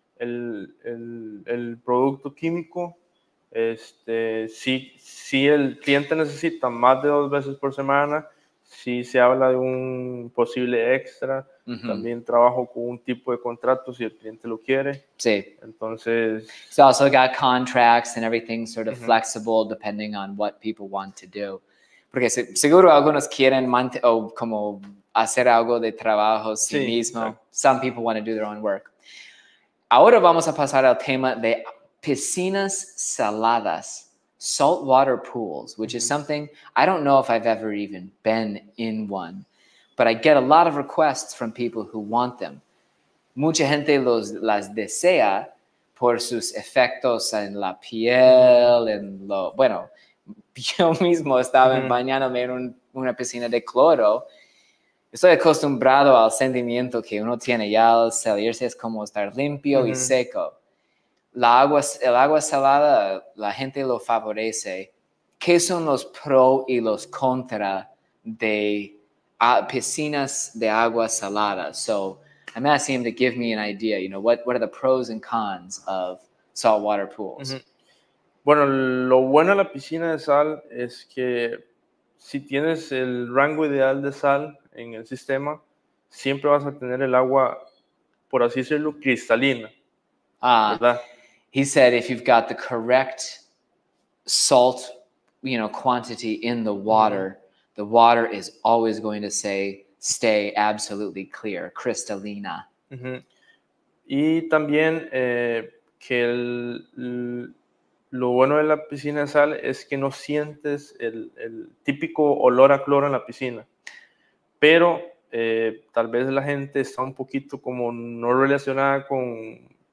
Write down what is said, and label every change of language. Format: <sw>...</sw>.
<es>El producto químico. Si el cliente necesita más de 2 veces por semana, si se habla de un posible extra, mm-hmm. también trabajo con un tipo de contrato si el cliente lo quiere. Sí. Entonces.</es> <en>So also got contracts and everything sort of mm-hmm. flexible depending on what people want to do.</en> <es>Porque seguro algunos quieren como hacer algo de trabajo sí mismo.</es> <en>Exactly. Some people want to do their own work.</en> <es>Ahora vamos a pasar al tema de piscinas saladas,</es> <en>saltwater pools, which mm-hmm. is something I don't know if I've ever even been in one, but I get a lot of requests from people who want them.</en> <es>Mucha gente las desea por sus efectos en la piel, en lo... Bueno, yo mismo estaba mm-hmm. bañándome en una piscina de cloro. Estoy acostumbrado al sentimiento que uno tiene ya al salirse, es como estar limpio mm-hmm. y seco. El agua salada, la gente lo favorece. ¿qué son los pro y los contra de piscinas de agua salada?</es> <en>So I'm asking him to give me an idea, you know, what are the pros and cons of saltwater pools? Mm-hmm.</en> <es>Bueno, lo bueno de la piscina de sal es que si tienes el rango ideal de sal en el sistema, siempre vas a tener el agua, por así decirlo, cristalina. ¿Verdad?</es> <en>He said if you've got the correct salt, you know, quantity in the water, mm-hmm. the water is always going to stay absolutely clear, cristalina. Mm-hmm.</en> <es>Y también que lo bueno de la piscina de sal es que no sientes el típico olor a cloro en la piscina. Pero tal vez la gente está un poquito como no relacionada con...</es>